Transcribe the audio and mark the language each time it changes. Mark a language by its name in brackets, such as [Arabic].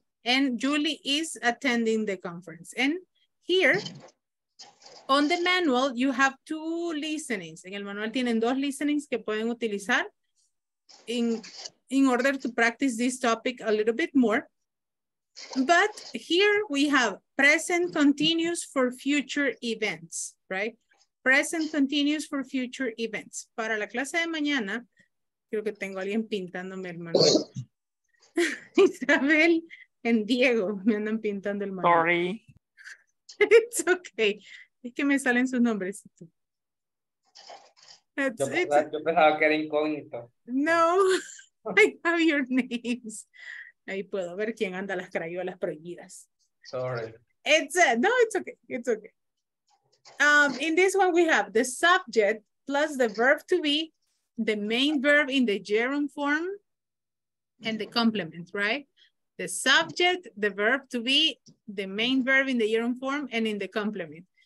[English] And Julie is attending the conference. And here, on the manual, you have two listenings. [Spanish] En el manual tienen dos listenings que pueden utilizar [English] in order to practice this topic a little bit more. But here we have present continuous for future events, right? Present continuous for future events. [Spanish] Para la clase de mañana, creo que tengo a alguien pintándome el manual. Isabel and Diego me andan pintando el manual. [English] Sorry. It's okay. [Spanish] Es que me salen sus nombres. Yo pensaba que era incógnito. [English] No, I have your names. [Spanish] Ahí puedo ver quién anda las crayolas prohibidas. [English] Sorry. It's okay. In this one, we have the subject plus the verb to be, the main verb in the gerund form, and the complement, right? The subject, the verb to be, the main verb in the gerund form, and in the complement.